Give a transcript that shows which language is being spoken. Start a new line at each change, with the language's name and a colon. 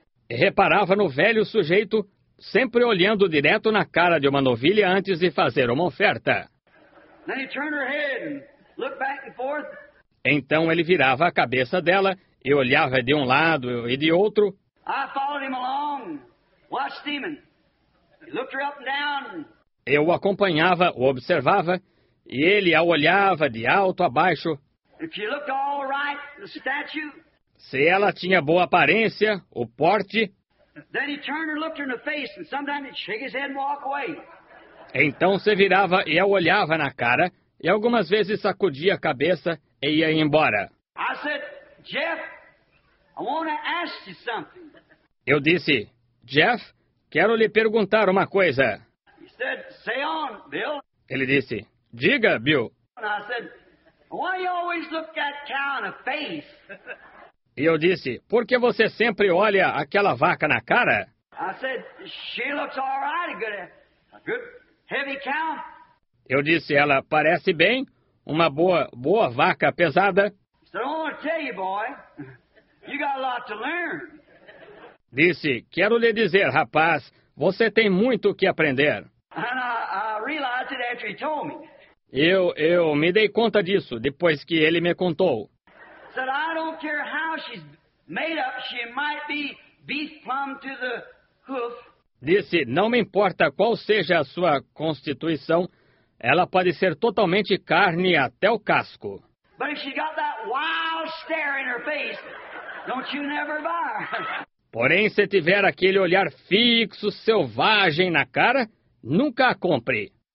Portuguese: Reparava no velho sujeito sempre olhando direto na cara de uma novilha antes de fazer uma oferta.
English: Then he turned her head and looked back and forth.
Portuguese: Então ele virava a cabeça dela e olhava de um lado e de outro.
English: I followed him along, watched him, and looked her up and down.
Portuguese: Eu o acompanhava, o observava, e ele a olhava de alto a baixo.
English: If she looked all right, the statue.
Portuguese: Se ela tinha boa aparência, o porte.
English: Then he turned and looked her in the face, and sometimes he'd shake his head and walk away.
Portuguese: Então se virava e a olhava na cara, e algumas vezes sacudia a cabeça e ia embora.
English: I said, Jeff, I wanna ask you something.
Portuguese: Eu disse, Jeff, quero lhe perguntar uma coisa.
English: He said, say on, Bill.
Portuguese: Ele disse, diga, Bill.
English: I said, why you always look that cow in the face?
Portuguese: E eu disse, por que você sempre olha aquela vaca na cara?
English: I said, she looks all right, a good heavy cow.
Portuguese: Eu disse, ela parece bem, uma boa vaca pesada.
English: So I don't want to tell you, boy, you got a lot to learn.
Portuguese: Disse, quero lhe dizer, rapaz, você tem muito o que aprender.
English: And I realized it after he told me.
Portuguese: Eu me dei conta disso depois que ele me contou.
English: Said, I don't care how she's made up, she might be beef plum to the hoof.
Portuguese: Disse, não me importa qual seja a sua constituição, ela pode ser totalmente carne até o casco.
English: But if she got that wild stare in her face, don't you never buy her.
Portuguese: Porém, se tiver aquele olhar fixo, selvagem na cara, nunca a compre.